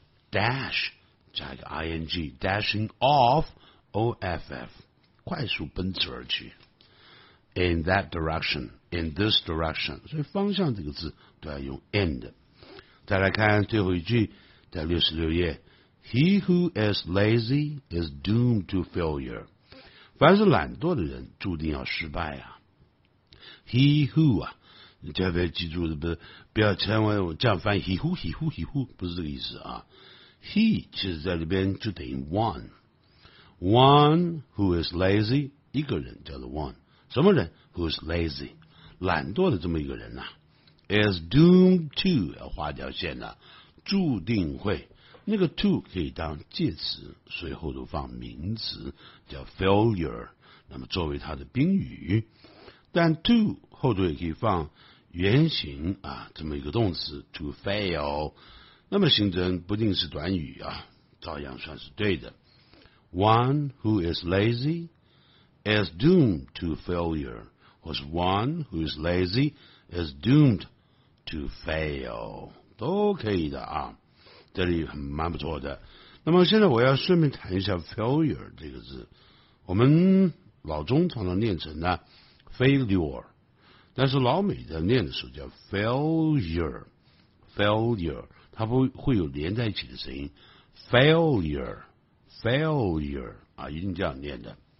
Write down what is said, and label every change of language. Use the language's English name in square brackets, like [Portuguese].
[Chinese] dash 加一个 ing， [English] dashing off [Chinese] O-F-F， 快速奔驰而去， [English] in that direction， in this direction， [Chinese] 所以方向这个字都要用 in 的。再来看最后一句，在66页， [English] He who is lazy is doomed to failure， [Chinese] 凡是懒惰的人注定要失败啊。 He who 啊，你特别记住，不要千万这样翻译 [English] he who he who he who， [Chinese] 不是这个意思啊。 He 其实在里边就等于 one， [English] one who is lazy， [Chinese] 一个人叫做 one， 什么人 [English] who is lazy， [Chinese] 懒惰的这么一个人啊， [English] is doomed to， [Chinese] 要划掉线的，注定会，那个 to 可以当介词，随后都放名词叫 failure， 那么作为他的宾语，但 to 后头也可以放原形啊，这么一个动词 [English] to fail， [Chinese] 那么形成不定式短语啊，照样算是对的。 [English] One who is lazy is doomed to failure， [Chinese] 或是 [English] one who is lazy is doomed to fail， [Chinese] 都可以的啊，这里很蛮不错的。那么现在我要顺便谈一下 failure 这个字，我们老中常常念成呢failure， 但是老美的念的时候叫 failure， failure， 它不会有连在一起的声音， failure， failure 啊，一定这样念的。